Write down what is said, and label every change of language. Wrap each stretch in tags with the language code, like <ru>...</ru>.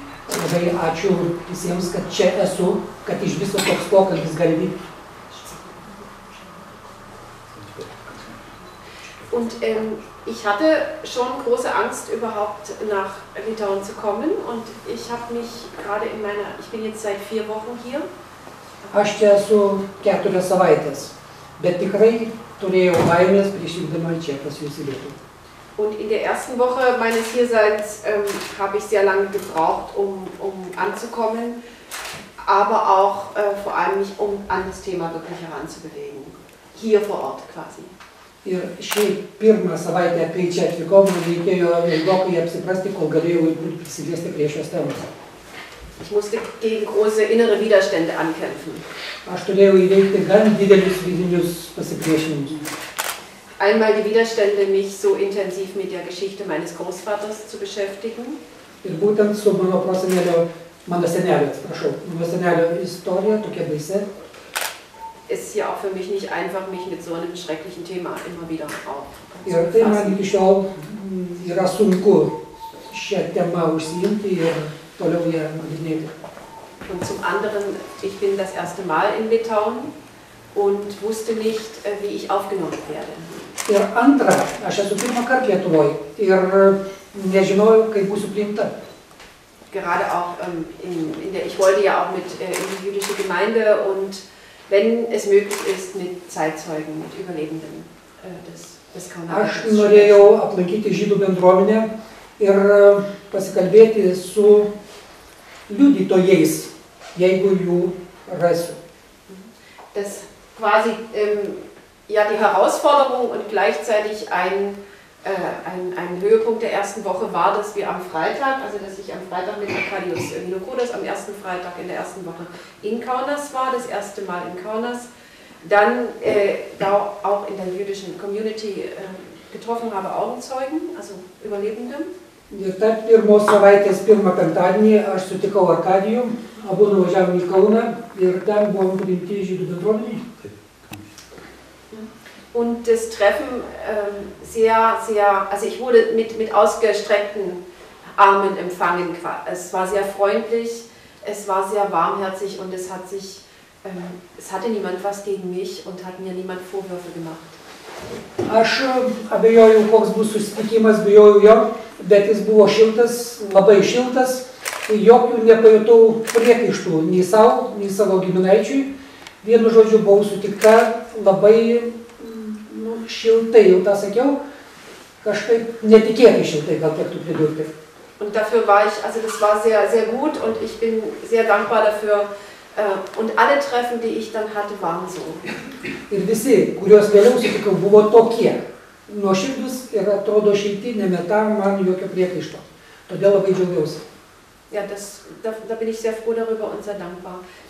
<lt>Labai ačiū visiems, kad čia esu, kad iš viso toks pokalbis gali vykti.</lt> <de>Und ich hatte schon große Angst, überhaupt nach Litauen zu kommen. Und ich habe mich gerade in meiner, ich bin jetzt seit 4 Wochen hier.</de> <lt>Aš čia esu 4 savaites, bet tikrai turėjau baimės prieš vykdama čia pas jūs į Lietuvą.</lt> <de>Und in der ersten Woche meines Hierseins habe ich sehr lange gebraucht, um anzukommen, aber auch vor allem mich um an das Thema wirklich heranzubewegen, hier vor Ort quasi.</de> <lt>Ir šį pirmą savaitę, kai čia atvykau, man reikėjo ilgokai apsiprasti, kol galėjau būti prisiliesti prie šios temos.</lt> <de>Ich musste gegen große innere Widerstände ankämpfen.</de> <lt>Aš turėjau įveikti gan didelius vidinius pasipriešinimus.</lt> <de>Einmal die Widerstände, mich so intensiv mit der Geschichte meines Großvaters zu beschäftigen.</de> <lt>Ir būtent su mano prosenelio, mano senelio, atsiprašau, mano senelio istorija, tokia baisė.</lt> <de>Es ist ja auch für mich nicht einfach, mich mit so einem schrecklichen Thema immer wieder aufzufassen.</de> <lt>Ir tai man iki šiol yra sunku šią temą užsiimti ir toliau ją nagrinėti.</lt> <de>Und zum anderen, ich bin das erste Mal in Litauen und wusste nicht, wie ich aufgenommen werde.</de> <lt>Ir antra, aš esu pirmą kartą Lietuvoj ir nežinojau, kaip būsiu priimta.</lt> <de>Gerade auch in der, ich wollte ja auch mit in die jüdische Gemeinde und wenn es möglich ist, mit Zeitzeugen, mit Überlebenden des Kaunas.</de> <lt>Aš norėjau aplankyti žydų bendruomenę ir pasikalbėti su liudytojais, jeigu jų rasiu.</lt> <de>Das quasi ja, die Herausforderung und gleichzeitig ein Höhepunkt der ersten Woche war, dass wir am Freitag, also dass ich am Freitag mit Arkadius Lukudas am ersten Freitag in der ersten Woche in Kaunas war, das erste Mal in Kaunas, dann da auch in der jüdischen Community getroffen habe Augenzeugen, also Überlebenden.</de> <lt>Ir tarp pirmos savaitės, pirmą penktadienį, aš sutikau Arkadijų, abu nuvažiavome į Kauną ir ten buvom priimti žydų bendruomenei.</lt> <de>Und das Treffen sehr, also ich wurde mit ausgestreckten Armen empfangen. Es war sehr freundlich, es war sehr warmherzig und es hat sich, es hatte niemand was gegen mich und hat mir niemand Vorwürfe gemacht.</de> <lt>Aš abejojau, koks bus susitikimas, bijojau jo, bet jis buvo šiltas, labai šiltas, jokių nepajutau priekaištų nei sau, nei savo giminaičiui. Vienu žodžiu, buvau sutikta labai šiltai, jau tą sakiau, kažkaip netikėtai šiltai, gal tektų pridurti.</lt> <de>Und dafür war ich, also das war sehr, sehr gut und ich bin sehr dankbar dafür. Und alle Treffen, die ich dann hatte, waren so.</de> <lt>Ir visi, kuriuos vėliau sutikau, buvo tokie. Nuoširdus ir atrodo šilti, nemeta man jokio priekaišto. Todėl labai džiaugiausi.</lt> <de>Ja, da bin ich sehr froh darüber und sehr dankbar.</de>